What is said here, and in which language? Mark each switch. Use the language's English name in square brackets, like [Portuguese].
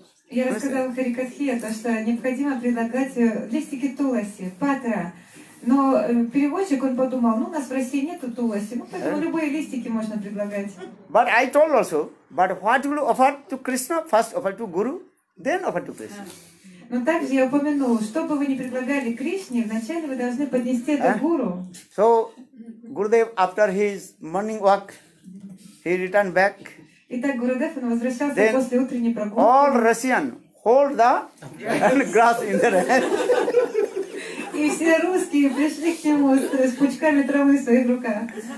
[Russian] Я рассказала харикатхи о том, что необходимо предлагать листики туласи, патра. Но переводчик, он подумал, ну у нас в России нету туласи, ну поэтому любые листики можно предлагать. [English] But I told also, but what will offer to Krishna, first offer to Guru, then offer to Krishna. [Russian] Но также я упомянула, что бы вы ни предлагали Кришне, вначале вы должны поднести это Гуру. [English] So, Gurudev, after his morning walk, he returned back. [Russian] Итак, Гурудев, он возвращался [English] then [Russian] после утренней прогулки. [English] All Russian hold the grass in their hand. [Russian] И все русские пришли к нему с пучками травы в своих руках.